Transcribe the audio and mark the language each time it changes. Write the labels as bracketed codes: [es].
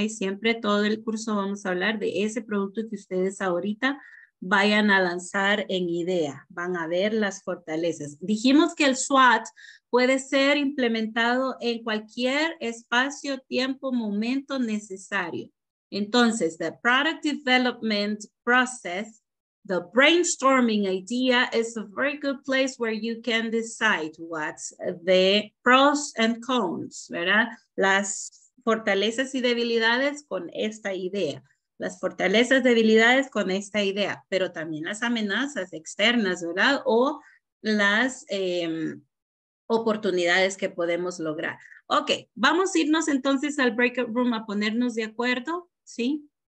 [es] Siempre todo el curso vamos a hablar de ese producto que ustedes ahorita vayan a lanzar en idea. Van a ver las fortalezas. Dijimos que el SWOT puede ser implementado en cualquier espacio, tiempo, momento necesario. [en] Entonces, the product development process, the brainstorming idea is a very good place where you can decide what's the pros and cons, ¿verdad? [es] Las fortalezas y debilidades con esta idea. Las fortalezas, debilidades con esta idea, pero también las amenazas externas, ¿verdad? O las oportunidades que podemos lograr. Ok, vamos a irnos entonces al breakout room a ponernos de acuerdo, ¿sí?